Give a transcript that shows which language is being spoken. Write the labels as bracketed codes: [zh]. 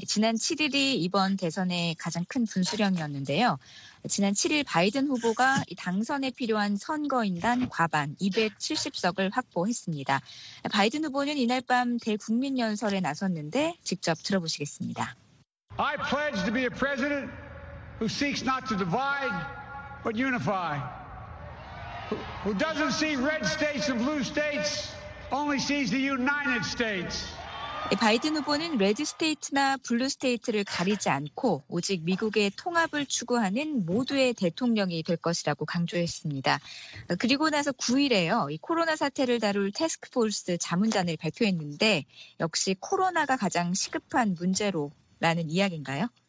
[ko] 지난 7일이 이번 대선의 가장 큰 분수령이었는데요. 지난 7일 바이든 후보가 당선에 필요한 선거인단 과반 270석을 확보했습니다. 바이든 후보는 이날 밤 대국민 연설에 나섰는데 직접 들어보시겠습니다. [en] I pledge to be a president who seeks not to divide, but unify. Who doesn't see red states and blue states, only sees the United States. [ko] 바이든 후보는 레드 스테이트나 블루 스테이트를 가리지 않고 오직 미국의 통합을 추구하는 모두의 대통령이 될 것이라고 강조했습니다. 그리고 나서 9일에요. 이 코로나 사태를 다룰 태스크포스 자문단을 발표했는데 역시 코로나가 가장 시급한 문제로라는 이야기인가요?